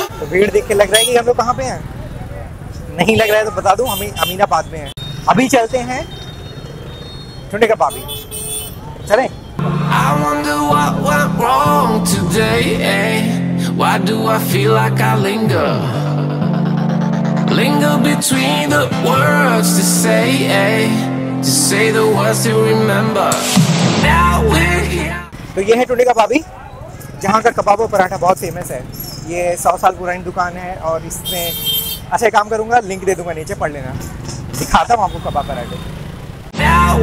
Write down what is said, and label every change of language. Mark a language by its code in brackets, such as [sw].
[hi] भीड़ देख के लग रहा है कि हम लोग कहाँ पे हैं? नहीं लग रहा है तो बता दूं, हम अमीनाबाद में हैं। अभी चलते हैं टुंडे कबाबी, चलें। [en] I wonder what went wrong today, why do I feel like I linger? Linger between the words to say the words to remember. Now we're here. [hi] तो ये है टुंडे कबाबी, जहाँ का कबाब और पराठा बहुत फेमस है। ये 100 साल पुरानी दुकान है और इसमें अच्छा काम करूंगा, लिंक दे दूंगा नीचे, पढ़ लेना, दिखाता हूँ आपको कबाब पराठे।